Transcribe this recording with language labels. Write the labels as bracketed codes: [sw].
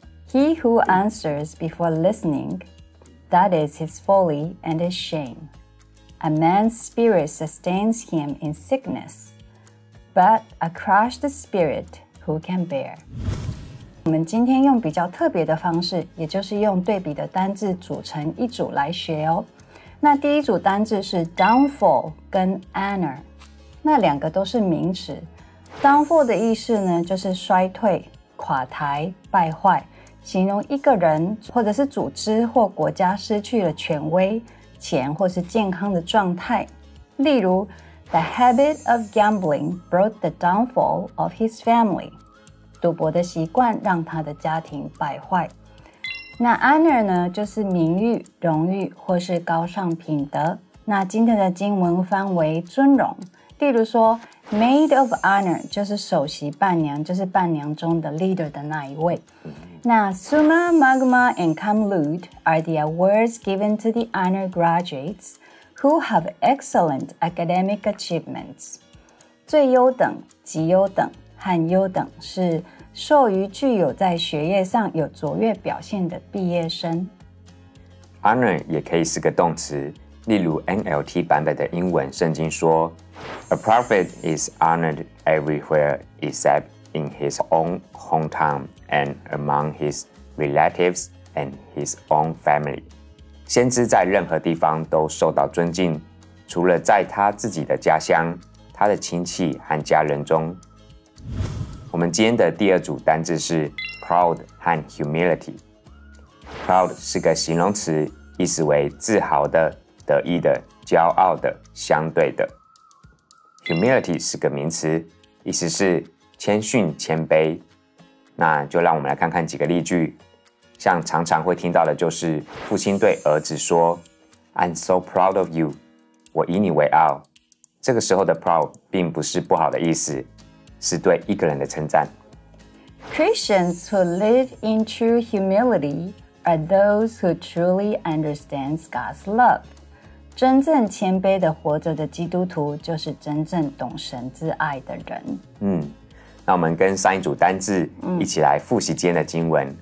[en] He who answers before listening, that is his folly and his shame. A man's spirit sustains him in sickness, but a crushed spirit who can bear? [zh] 我们今天用比较特别的方式，也就是用对比的单字组成一组来学哦。那第一组单字是 downfall 跟 honor， 那两个都是名词。 downfall 的意思呢，就是衰退、垮台、败坏。形容一个人或者是组织或国家失去了权威、钱或是健康的状态。例如 [en] The habit of gambling brought the downfall of his family. [zh] 赌博的习惯让他的家庭败坏。那 honor 呢，就是名誉、荣誉或是高尚品德。那今天的经文翻为尊荣。例如说 [en] Maid of honor [zh] 就是首席伴娘，就是伴娘中的 leader 的那一位。 [en] Now, summa, magma, and cum laude are the awards given to the honor graduates who have excellent academic achievements. [zh] 最优等、极优等和优等是授予具有在学业上有卓越表现的毕业生。 Honor 也可以是个动词，例如 NLT 版本的英文圣经说 [en] A prophet is honored everywhere except in his own hometown. And among his relatives and his own family. [zh] 先知在任何地方都受到尊敬，除了在他自己的家乡、他的亲戚和家人中。我们今天的第二组单字是 proud 和 humility。 Proud 是个形容词，意思为自豪的、得意的、骄傲的、相对的。 Humility 是个名词，意思是谦逊、谦卑。那就让我们来看看几个例句，像常常会听到的就是父亲对儿子说 [en] I'm so proud of you， [zh] 我以你为傲。这个时候的 proud 并不是不好的意思，是对一个人的称赞。 [en] Christians who live in true humility are those who truly understand God's love. [zh] 真正谦卑的活着的基督徒就是真正懂神之爱的人。那我们跟上一组单字一起来复习今天的经文。